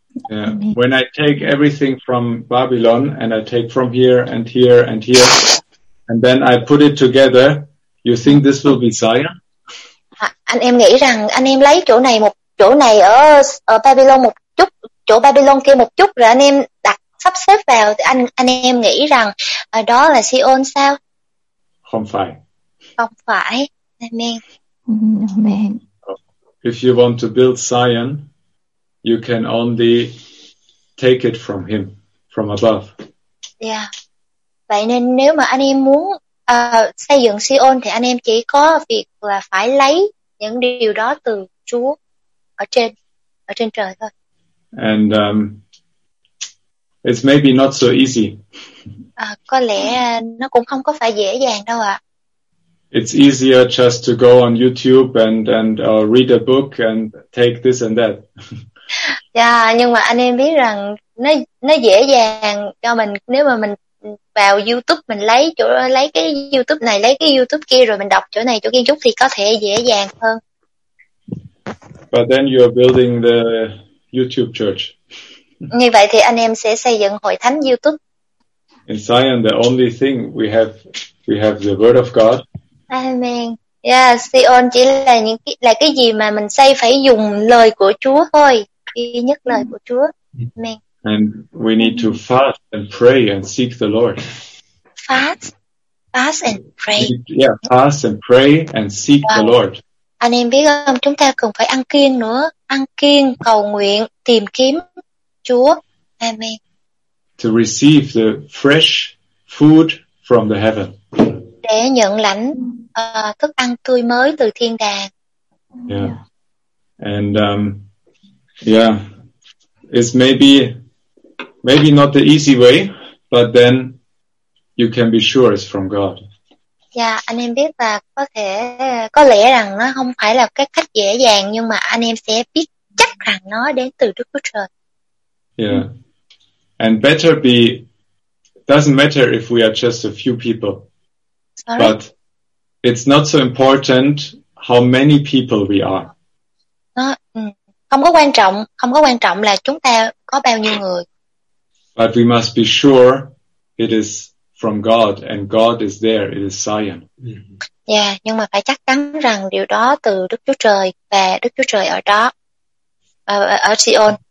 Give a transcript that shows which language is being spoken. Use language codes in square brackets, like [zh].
[en] Yeah. When I take everything from Babylon and I take from here and here and here and then I put it together, you think this will be Zion? [vi] Anh em nghĩ rằng anh em lấy chỗ này một chỗ này ở Babylon một chút, chỗ Babylon kia một chút, rồi anh em đặt sắp xếp vào, anh em nghĩ rằng đó là Sion sao? Không phải. [en] Amen. Amen. If you want to build Zion, you can only take it from him, from above. Yeah. [vi] Vậy nên nếu mà anh em muốn xây dựng Sion thì anh em chỉ có việc là phải lấy những điều đó từ Chúa. Ở trên trời thôi. [en] And it's maybe not so easy. [vi] Có lẽ nó cũng không có phải dễ dàng đâu ạ. [en] It's easier just to go on YouTube and read a book and take this and that. [vi] Yeah, nhưng mà anh em biết rằng nó dễ dàng cho mình nếu mà mình vào YouTube, mình lấy cái YouTube này, lấy cái YouTube kia, rồi mình đọc chỗ này chỗ kia chút thì có thể dễ dàng hơn. [en] But then you are building the YouTube church. [vi] Như vậy thì anh em sẽ xây dựng hội thánh YouTube. [en] In Zion, the only thing we have the Word of God. Amen. [vi] Yeah, Zion chỉ là những cái gì mà mình xây phải dùng lời của Chúa thôi, duy nhất lời của Chúa. [en] Amen. And we need to fast and pray and seek the Lord. Fast and pray. Yeah, fast and pray and seek the Lord. [vi] Anh em biết không, chúng ta cần phải ăn kiêng nữa, ăn kiêng, cầu nguyện, tìm kiếm Chúa. Amen. [en] To receive the fresh food from the heaven. [vi] Để nhận lãnh thức ăn tươi mới từ thiên đàng. [en] Yeah. And it's maybe not the easy way, but then you can be sure it's from God. [vi] Yeah, anh em biết là có lẽ rằng nó không phải là cái cách dễ dàng, nhưng mà anh em sẽ biết chắc rằng nó đến từ Đức Chúa Trời. [en] Yeah. And better be, doesn't matter if we are just a few people. Sorry? But it's not so important how many people we are. [vi] Không có quan trọng là chúng ta có bao nhiêu người. [en] But we must be sure it is from God, and God is there, it is Zion. Mm-hmm. [vi] Yeah, nhưng mà phải chắc chắn rằng điều đó từ Đức Chúa Trời, và Đức Chúa Trời ở đó, ở Zion.